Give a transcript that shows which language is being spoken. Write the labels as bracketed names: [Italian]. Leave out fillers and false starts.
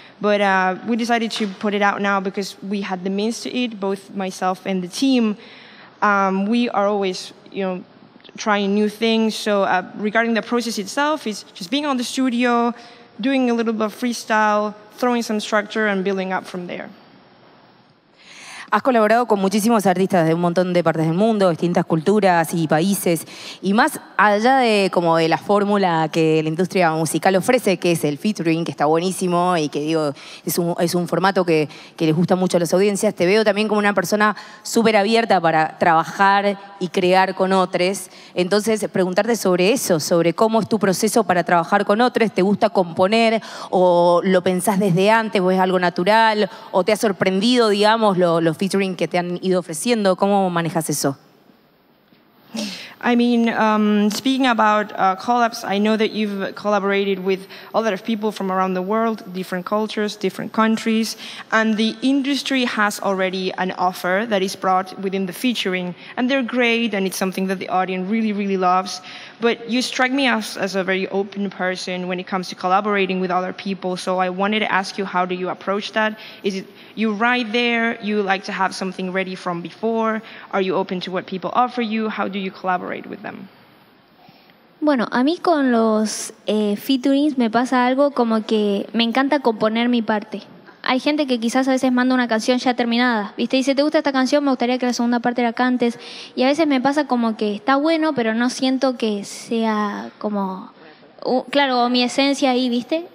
[English] But we decided to put it out now because we had the means to it, both myself and the team. We are always, you know, trying new things. So regarding the process itself, it's just being on the studio, doing a little bit of freestyle, throwing some structure and building up from there. [Spanish] Has colaborado con muchísimos artistas de un montón de partes del mundo, distintas culturas y países. Y más allá de como de la fórmula que la industria musical ofrece, que es el featuring, que está buenísimo y que digo, es un formato que les gusta mucho a las audiencias, te veo también como una persona súper abierta para trabajar y crear con otros. Entonces, preguntarte sobre eso, sobre cómo es tu proceso para trabajar con otros. ¿Te gusta componer o lo pensás desde antes o es algo natural? ¿O te ha sorprendido, digamos, los featuring que te han ido ofreciendo? ¿Cómo manejas eso? [English] I mean, speaking about collabs, I know that you've collaborated with a lot of people from around the world, different cultures, different countries, and the industry has already an offer that is brought within the featuring, and they're great, and it's something that the audience really, really loves. But you strike me as a very open person when it comes to collaborating with other people, so I wanted to ask you, how do you approach that? Is it you right there, you like to have something ready from before? Are you open to what people offer you? How do you collaborate with them? [Spanish] Bueno, a mí con los featurings me pasa algo como que me encanta componer mi parte. Hay gente que quizás a veces manda una canción ya terminada, ¿viste? Dice, ¿te gusta esta canción? Me gustaría que la segunda parte la cantes. Y a veces me pasa como que está bueno, pero no siento que sea como, claro, mi esencia ahí, ¿viste?